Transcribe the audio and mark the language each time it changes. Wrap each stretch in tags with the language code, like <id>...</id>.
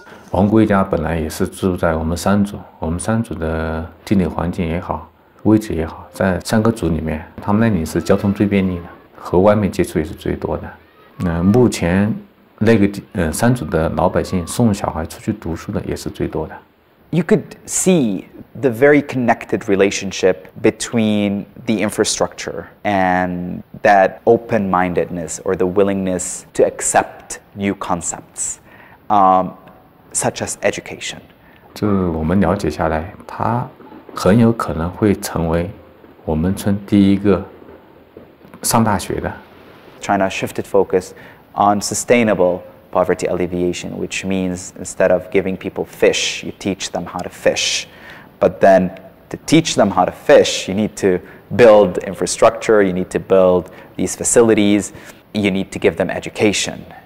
<zh>王贵家本来也是住在我们三组，我们三组的地理环境也好，位置也好，在三个组里面，他们那里是交通最便利的，和外面接触也是最多的。目前那个三组的老百姓送小孩出去读书的也是最多的。</zh> <en>You could see the very connected relationship between the infrastructure and that open-mindedness or the willingness to accept new concepts, such as education.</en> <zh>就我们了解下来，他很有可能会成为我们村第一个上大学的。</zh> <en>China shifted focus on sustainable poverty alleviation, which means instead of giving people fish, you teach them how to fish. But then to teach them how to fish, you need to build infrastructure, you need to build these facilities, you need to give them education.</en>